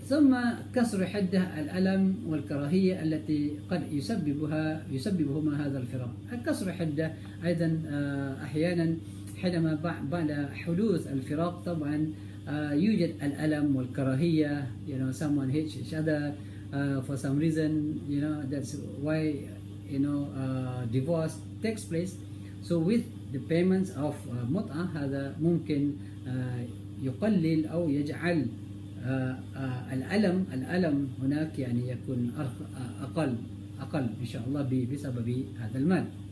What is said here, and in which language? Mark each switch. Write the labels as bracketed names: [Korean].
[Arabic] ثم كسر حدة الألم والكراهية التي قد يسببهما هذا الفراق. كسر حدة أيضا أحيانا حينما بعد حدوث الفراق طبعا يوجد الألم والكراهية، يعني [English] someone hates each other for some reason, you know, that's why, you know, divorce takes place. So with the payments of mut'a, [Arabic] هذا ممكن يقلل أو يجعل الألم هناك، يعني يكون أقل إن شاء الله بسبب هذا المال.